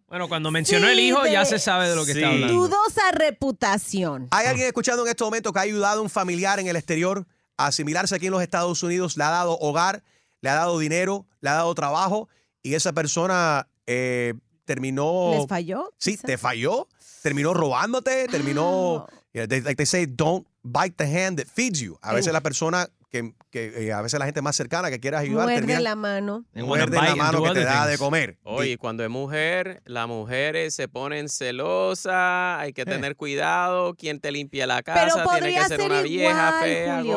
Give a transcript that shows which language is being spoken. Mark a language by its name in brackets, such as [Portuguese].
[Spanish] Bueno, cuando mencionó el hijo, ya se sabe de lo que está hablando. Dudosa reputación. ¿Hay alguien escuchando en este momento que ha ayudado a un familiar en el exterior? Asimilarse aquí en los Estados Unidos, le ha dado hogar, le ha dado dinero, le ha dado trabajo y esa persona terminó... ¿Les falló? Sí, quizás. Te falló, terminó robándote, terminó... [English] Like they say, don't bite the hand that feeds you. [Spanish] A veces la persona que a veces la gente más cercana que quieras ayudar... Muerde la mano que te da de comer. Oye, cuando es mujer, las mujeres se ponen celosas, hay que tener cuidado, quién te limpia la casa, pero podría tiene que ser una igual, vieja fea, Julio,